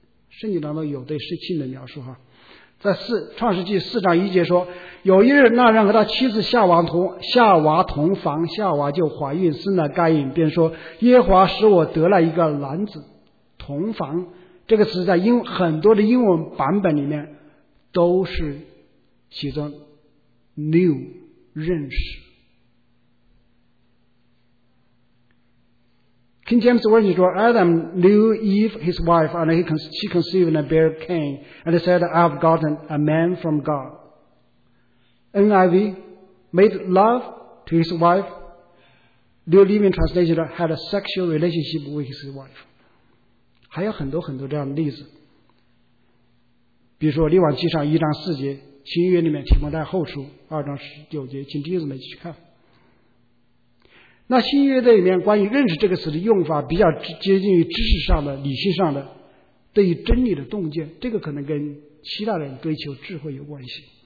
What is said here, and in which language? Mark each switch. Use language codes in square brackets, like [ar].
[zh] 圣经当中有对信的描述哈，在创世纪4:1说，有一日那人和他妻子夏娃同房，夏娃就怀孕生了该隐，便说耶和华使我得了一个男子。同房这个词在很多的英文版本里面都是其中 new 认识。 [en] King James Version [zh] 说 [en] Adam knew Eve his wife and she conceived and bare Cain and said I have gotten a man from God. NIV made love to his wife. New Living Translation had a sexual relationship with his wife. [zh] 还有很多很多这样的例子，比如说《列王记上》1:4，《新约》里面《提摩太后书》2:19，请弟兄们去看。那《新约》这里面关于认识这个词的用法，比较接近于知识上的、理性上的，对于真理的洞见，这个可能跟希腊人追求智慧有关系。